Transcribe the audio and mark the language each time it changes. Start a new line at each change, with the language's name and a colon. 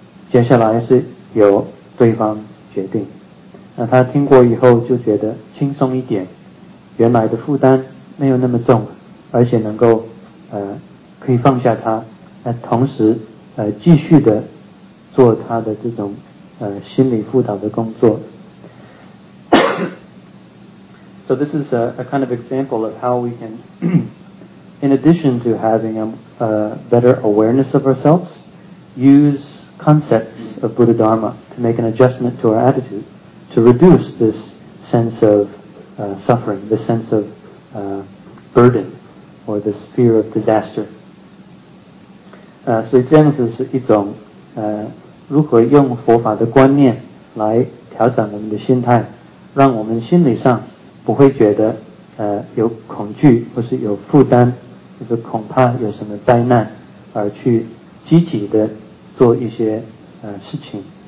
Chinese: 接下来是由对方决定，那他听过以后就觉得轻松一点，原来的负担没有那么重，而且能够可以放下他，同时继续的做他的这种心理辅导的工作。
English: So this is a kind of example of how we can, in addition to having a better awareness of ourselves, use concepts of Buddha Dharma to make an adjustment to our attitude to reduce this sense of suffering, this sense of burden, or this fear of disaster.
Chinese: 所以这样子是一种如何用佛法的观念来调整我们的心态，让我们心理上不会觉得有恐惧或是有负担，就是恐怕有什么灾难，而去积极的做一些事情。